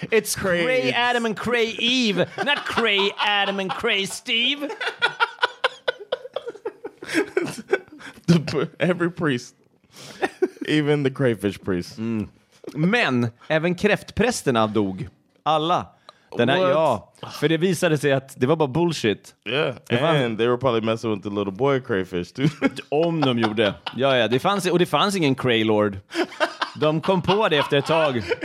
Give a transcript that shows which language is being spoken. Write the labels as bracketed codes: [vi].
[en] It's Cray Adam and Cray Eve. Not Cray Adam and Cray Steve. Every priest. Even the crayfish priest. Mm. [sv] Men även kräftprästerna dog. Alla. Den här, ja. För det visade sig att det var bara bullshit. [en] Yeah, and they were probably messing with the little boy crayfish too. [sv] Om de gjorde. Ja, det fanns, och det fanns ingen craylord. De kom på det efter ett tag.